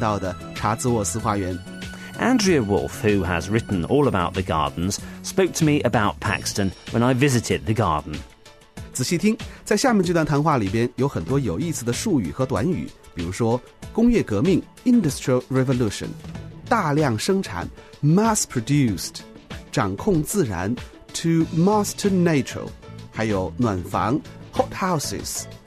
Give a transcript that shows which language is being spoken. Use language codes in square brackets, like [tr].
[zh] 第六世公爵聘请了约瑟夫·帕克斯顿负责花园的建造。帕克斯顿是英国历史上著名的园林设计师之一，他设计建造了现在我们看到的查兹沃斯花园。 [en] Andrea Wolf, who has written all about the gardens, spoke to me about Paxton when I visited the garden. [zh] 仔细听, 在下面这段谈话里边有很多有意思的术语和短语, 比如说, 工业革命, [en] Industrial Revolution, [zh] 大量生产, [en] Mass Produced, [zh] 掌控自然, [en] To Master Nature, [zh] 还有暖房, [en] Hot Houses.